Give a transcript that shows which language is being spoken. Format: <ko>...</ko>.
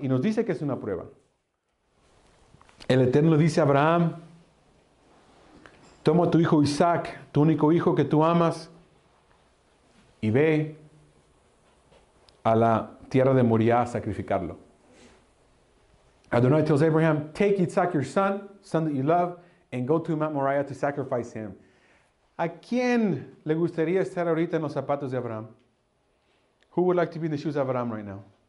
<es>Y nos dice que es una prueba. El Eterno dice a Abraham, toma a tu hijo Isaac, tu único hijo que tú amas, y ve a la tierra de Moriah a sacrificarlo.</es> <en>Adonai tells Abraham, take Isaac, your son that you love, and go to Mount Moriah to sacrifice him.</en> <es>¿A quién le gustaría estar ahorita en los zapatos de Abraham?</es> <en>Who would like to be in the shoes of Abraham right now?</en>